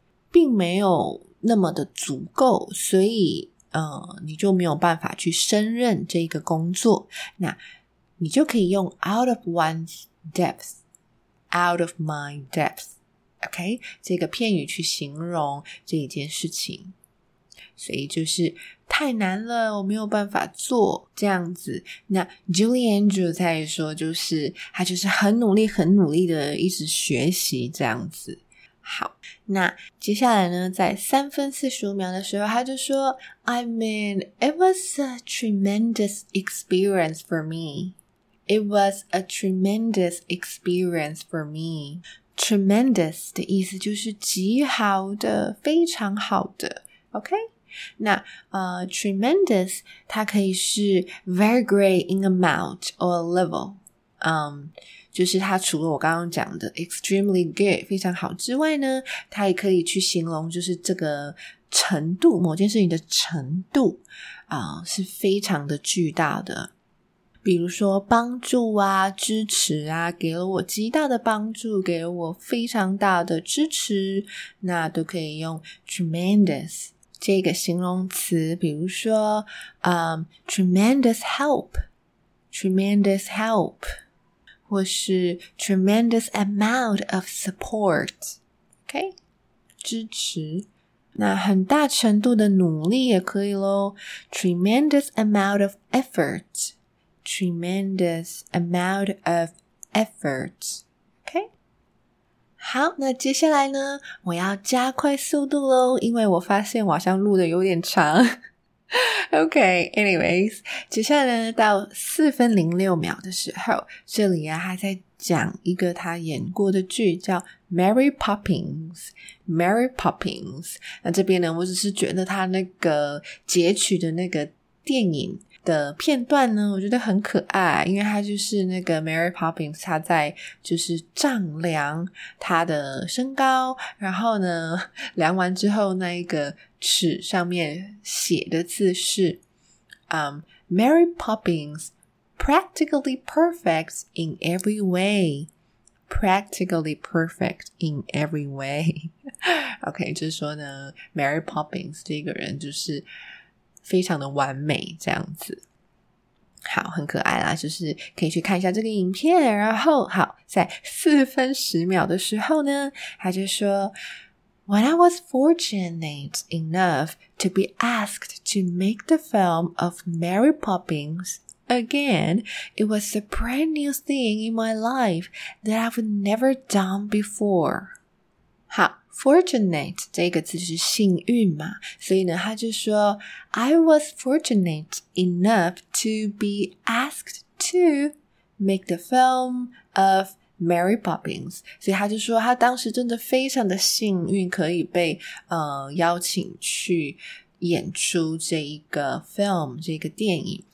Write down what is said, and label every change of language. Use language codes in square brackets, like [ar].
[zh] 并没有那么的足够，所以你就没有办法去胜任这个工作，那你就可以用 [en] out of one's depth, out of my depth, [zh] OK, 这个片语去形容这一件事情，所以就是太难了，我没有办法做这样子。那 Julie Andrew 在说，就是他就是很努力很努力的一直学习这样子。好，那接下来呢，在3分45秒的时候他就说 [en] I mean it was a tremendous experience for me. It was a tremendous experience for me. [zh] Tremendous 的意思就是极好的，非常好的。 [en] OK? 那tremendous [zh] 它可以是 [en] very great in amount or level. [zh] 就是它除了我刚刚讲的 [en] extremely good, [zh] 非常好之外呢，它也可以去形容就是这个程度，某件事情的程度是非常的巨大的。比如说帮助啊，支持啊，给了我极大的帮助，给了我非常大的支持，那都可以用 tremendous 这个形容词，比如说 [en] tremendous help, tremendous help, [zh] 或是 [en] tremendous amount of support, OK? [zh] 支持。那很大程度的努力也可以咯。 [en] Tremendous amount of effort, tremendous amount of effort, OK? [zh] 好，那接下来呢，我要加快速度咯，因为我发现我好像录的有点长。 OK,anyways, 接下来呢，到4分06秒的时候，这里啊，他在讲一个他演过的剧，叫 Mary Poppins, Mary Poppins。那这边呢，我只是觉得他那个截取的那个电影的片段呢，我觉得很可爱，因为他就是那个 [en] Mary Poppins, 他在就是丈量他的身高，然后呢量完之后那一个尺上面写的字是 Mary Poppins practically perfect in every way, practically perfect in every way. [zh] OK, 就是说呢 Mary Poppins 这个人就是非常的完美这样子。好，很可爱啦，就是可以去看一下这个影片。然后好，在4分10秒的时候呢，他就说 [en] When I was fortunate enough to be asked to make the film of Mary Poppins again, it was a brand new thing in my life that I've never done before. [zh] 好，fortunate 这个字是幸运嘛，所以呢他就说 [en] I was fortunate enough to be asked to make the film of Mary Poppins, [zh] 所以他就说他当时真的非常的幸运可以被邀请去演出这一个 film, 这个电影。